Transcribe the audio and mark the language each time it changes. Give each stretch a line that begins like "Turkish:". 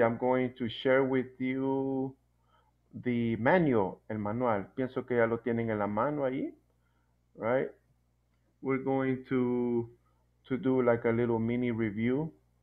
English: I'm going to share with you the manual, el manual.
Spanish: Pienso que ya lo tienen en la mano ahí, right?
English: We're going to do like a little mini review.